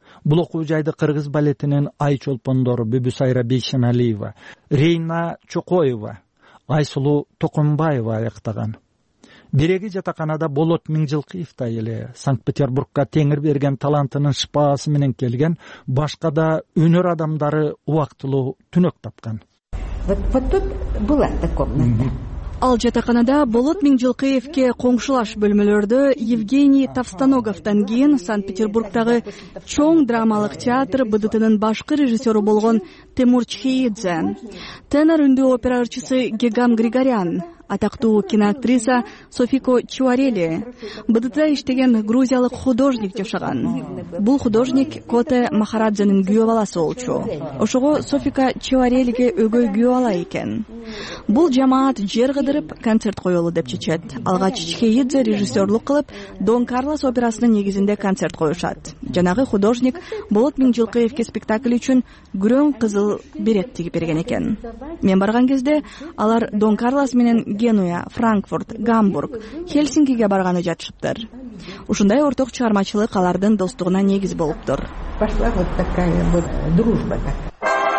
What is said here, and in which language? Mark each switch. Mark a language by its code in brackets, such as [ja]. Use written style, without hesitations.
[ky] Бул окуу жайды кыргыз балетинин ай чолпондору Бүбүсайра Бейшеналиева, Рейна Чокоева, Айсулуу Токонбаева аяктаган. Береги жатаканада Болот Меңжылкыев да эле Санкт-Петербургка теңир берген талантынын шыпаасы менен келген, башка да өнөр адамдары убактылуу түнөк тапкан. [ru] Вот тут была эта комната. [ky] Ал жатаканада Болот Меңжылкыевке коңшулаш бөлмөлөрдө Евгений Товстоноговтан кийин Санкт-Петербургтагы чоң драмалык театр БДТ-нын башкы режиссёру болгон Тимур Чхиидзе, тенор үндүү опера ырчысы Гегам Григориан, атактуу киноактриса Софико Чуарели, БДТ-да иштеген грузиялык художник жашаган. Бул художник Коте Махарадзенин күйөө баласы болчу. Ошого Софико Чуарелиге өгөй күйөө ала экен. Бул жамаат жер кыдырып концерт коёлу деп чечет. Алгач Чикейидзе режиссерлук кылып Дон Карлос операсынын негизинде концерт коюшат. Жанагы художник Болот Миңжылкыевке спектакль үчүн күрөң кызыл берет тигип берген экен. Мен барган кезде алар Дон Карлос менен Генуя, Франкфурт, Гамбург, Хельсинкиге барганы жатышыптыр. Ушундай орток чыгармачылык алардын достугуна негиз болуптур. [ru] Пошла вот такая вот дружба так.